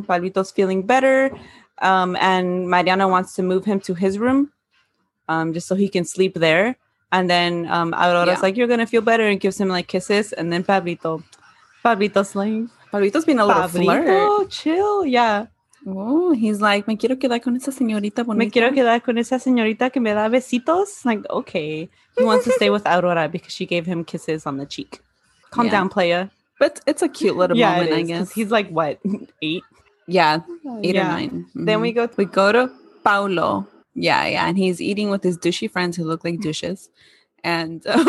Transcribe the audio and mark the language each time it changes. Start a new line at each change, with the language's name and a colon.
English: Pablito's feeling better. And Mariano wants to move him to his room just so he can sleep there. And then Aurora's like, you're going to feel better, and gives him like kisses. And then Pablito's like... Pablito's been a little flirt. Oh, chill. Yeah. Oh, he's like,
Spanish: me quiero quedar con esa señorita bonita. Me quiero quedar con esa señorita que me da besitos.
English: Like, okay. He wants to stay with Aurora because she gave him kisses on the cheek. Calm down, playa. But it's a cute little moment, I guess. He's like, what, 8? Yeah, 8 or 9. Mm-hmm. Then we go to Paulo. Yeah, yeah. And he's eating with his douchey friends who look like douches. And...